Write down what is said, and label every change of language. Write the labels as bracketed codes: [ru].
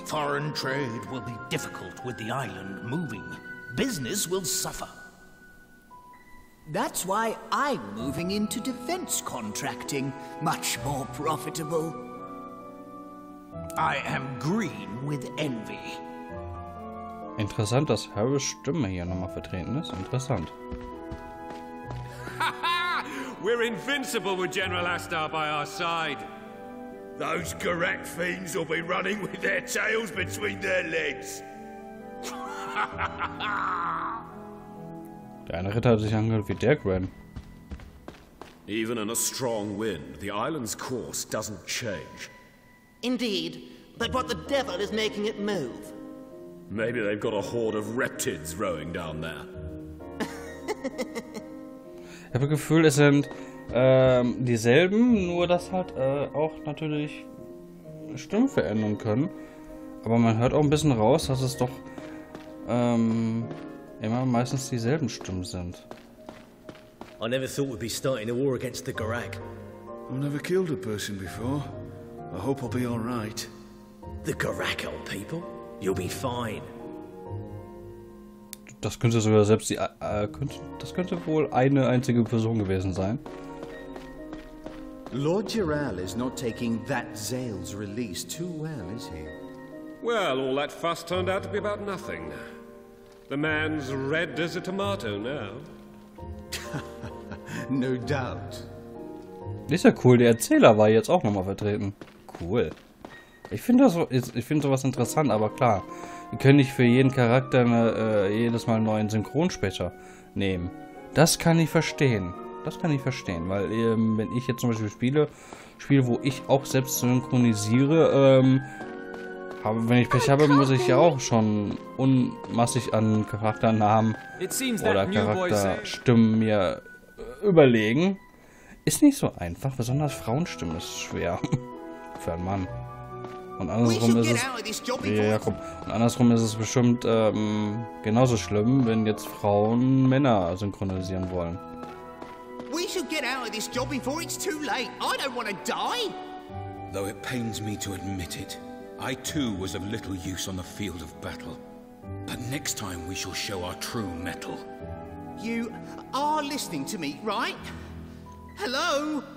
[en] Foreign trade will be difficult with the island moving. Business will suffer. That's why I'm moving into defense contracting, much more profitable. I am green with envy. [de] Interessant, dass Harrys Stimme hier nochmal vertreten ist. Interessant. [en] We're invincible with General Astar by our side. Those Garak fiends will be running with their tails between their legs. [de] Der eine Ritter hat sich angehört wie der Gren. [en] Even in a strong wind, the island's course doesn't change. Indeed, but what the devil is making it move? Maybe they've got a horde of reptids rowing down there. [de] Ich habe das Gefühl, es sind dieselben, nur dass halt auch natürlich Stimmen verändern können. Aber man hört auch ein bisschen raus, dass es doch immer meistens dieselben Stimmen sind. [en] I never thought we'd be starting a war against the Garak. I've never killed a person before. I hope I'll be all right. the Garakal people. You'll be fine. [de] Das könnte sogar selbst die das könnte wohl eine einzige Person gewesen sein. [en] Lord Gerald is not taking that Zael's release too well, is he? Well, all that fuss turned out to be about nothing. The man's red as a tomato now. No doubt. [de] Ist ja cool, der Erzähler war jetzt auch nochmal vertreten. Cool. Ich finde sowas interessant, aber klar. Wir können nicht für jeden Charakter jedes Mal einen neuen Synchronsprecher nehmen. Das kann ich verstehen. Das kann ich verstehen, weil wenn ich jetzt zum Beispiel spiele, wo ich auch selbst synchronisiere, wenn ich Pech habe, muss ich ja auch schon unmassig an Charakternamen oder Charakterstimmen mir überlegen. Ist nicht so einfach, besonders Frauenstimmen ist schwer für einen Mann. Und andersrum ist es, bestimmt genauso schlimm, wenn jetzt Frauen Männer synchronisieren wollen. [en] We should get out of this job before it's too late. I don't want to die. Though it pains me to admit it, I too was of little use on the field of battle. But next time we shall show our true mettle. You are listening to me, right? Hello?